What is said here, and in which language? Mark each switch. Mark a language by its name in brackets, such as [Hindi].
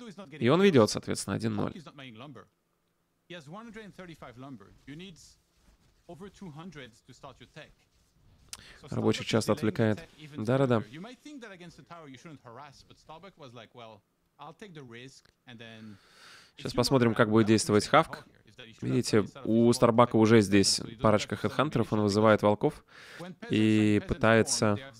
[Russian] И он ведет, соответственно, 1-0. [English] He has 135 lumber. You need over 200 to start your tech. [Russian] Рабочих часто отвлекает. Да. [English] You might think that against the tower you shouldn't harass, but Starbuck was like, well, I'll take the risk and then. [Russian] Сейчас посмотрим, как будет действовать Хавк. Видите, у Старбака уже здесь парочка хедхантеров, он вызывает волков и пытается.